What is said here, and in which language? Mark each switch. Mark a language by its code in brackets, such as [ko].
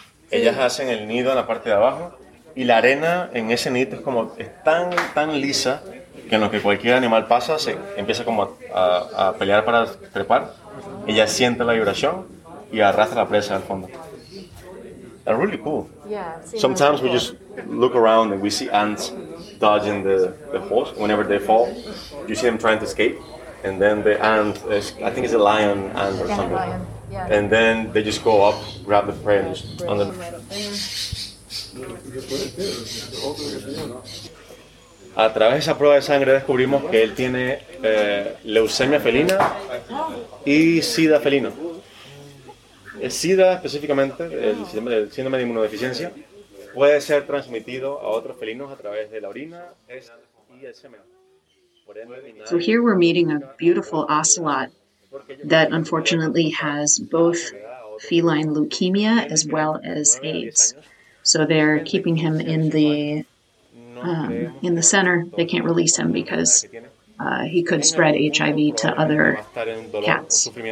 [es] Ellas hacen el nido en la parte de abajo, y la arena en ese nido es como es tan tan lisa que en lo que cualquier animal pasa se empieza como a pelear para trepar. Ella siente la vibración y arrastra la presa al fondo. [en] They're really cool. Yeah. Sometimes we just look around and we see ants dodging the holes. Whenever they fall, you see them trying to escape, and then the ant is, I think it's a lion ant or something. Yeah, lion. Yeah. And then they just go up, grab the prey, and just on the. [es] A través de esa prueba de sangre descubrimos que él tiene leucemia felina y sida felino. El sida específicamente, el síndrome de inmunodeficiencia, puede ser transmitido a otros felinos a través de la orina y el semen. [en] So here we're meeting a beautiful ocelot that unfortunately has both feline leukemia as well as AIDS. So they're keeping him in the center. They can't release him because he could spread HIV to other cats.